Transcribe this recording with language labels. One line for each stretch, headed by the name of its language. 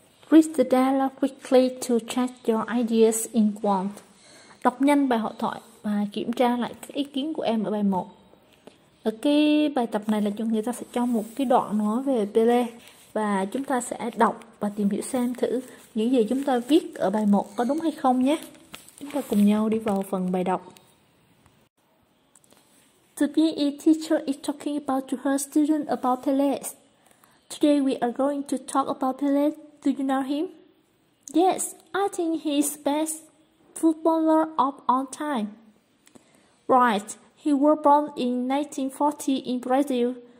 English: Read the dialogue quickly to check your ideas in one.
Vietnamese: Đọc nhanh bài hội thoại và kiểm tra lại các ý kiến của em ở bài 1. Ở cái bài tập này là cho người ta sẽ cho một cái đoạn nói về Pelé. Và chúng ta sẽ đọc và tìm hiểu xem thử những gì chúng ta viết ở bài 1 có đúng hay không nhé. Chúng ta cùng nhau đi vào phần bài đọc.
English: The PE teacher is talking about to her student about Pelé. Today we are going to talk about Pelé. Do you know him? Yes, I think he is best footballer of all time. Right, he was born in 1940 in Brazil.